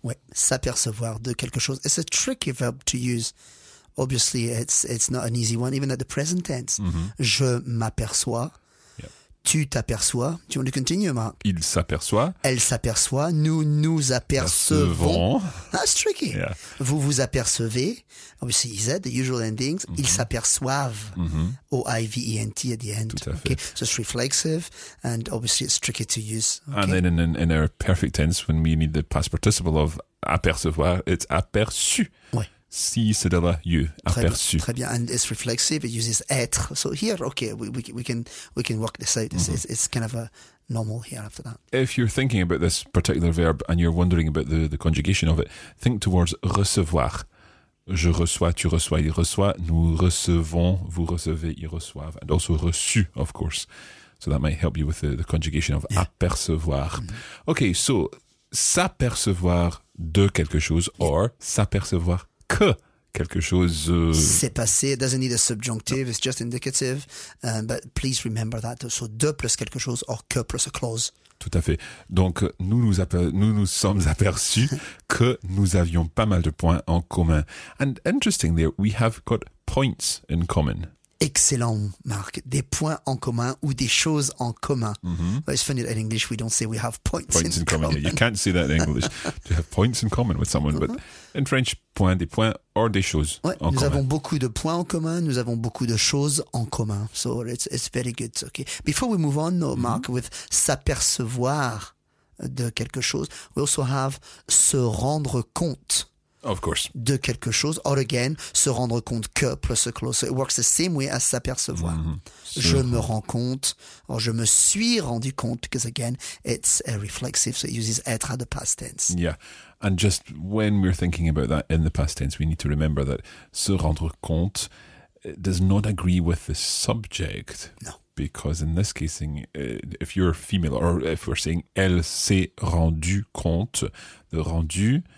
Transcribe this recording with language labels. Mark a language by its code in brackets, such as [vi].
[fr] Oui, s'apercevoir de quelque chose. [en] It's a tricky verb to use. Obviously, it's not an easy one, even at the present tense. Mm-hmm. [fr] Je m'aperçois. Tu t'aperçois. [en] Do you want to continue, Mark? [fr] Il s'aperçoit. Elle s'aperçoit. Nous apercevons. [en] That's tricky. Yeah. [fr] Vous vous apercevez. [en] Obviously, he said the usual endings. [fr] Mm-hmm. Ils s'aperçoivent. Mm-hmm. [en] O-I-V-E-N-T at the end. [fr] Tout à fait. [en] So it's reflexive. And obviously, it's tricky to use. Okay. And then in our perfect tense, when we need the past participle of apercevoir, it's aperçu. [fr] Oui. Si, c'est de là, you, aperçu. Très bien, [en] and it's reflexive, it uses être. So here, okay, we can work this out. Mm-hmm. It's kind of a normal here after that. If you're thinking about this particular verb and you're wondering about the conjugation of it, think towards recevoir. [fr] Je reçois, tu reçois, il reçoit. Nous recevons, vous recevez, ils reçoivent. [en] And also reçu, of course. So that might help you with the conjugation of yeah. apercevoir. Mm-hmm. Okay, so s'apercevoir de quelque chose or yeah. [fr] s'apercevoir que quelque chose s'est passé. [en] It doesn't need a subjunctive, it's just indicative. But please remember that. So, de plus quelque chose or que plus a clause. [fr] Tout à fait. Donc, nous sommes aperçus que nous avions pas mal de points en commun. [en] And interestingly, we have got points in common. Excellent, Marc. [fr] Des points en commun ou des choses en commun. Mm-hmm. [en] It's funny that in English we don't say we have points in common. Yeah, you can't say that in English. To have points in common with someone. Mm-hmm. But in French, points, des points or des choses [fr] ouais, en nous commun. Avons beaucoup de points en commun, nous avons beaucoup de choses en commun. [en] So it's very good. Okay. Before we move on, though, Marc, mm-hmm. with s'apercevoir de quelque chose, we also have se rendre compte. Of course. [fr] De quelque chose. [en] Or again, se rendre compte que plus a clause. So it works the same way as s'apercevoir. Mm-hmm. [fr] Je me rends compte. Or je me suis rendu compte. [en] Because again, it's a reflexive. So it uses être at the past tense. Yeah. And just when we're thinking about that in the past tense, we need to remember that se rendre compte does not agree with the subject. No. Because in this case, if you're female, or if we're saying elle s'est rendue compte, the rendu...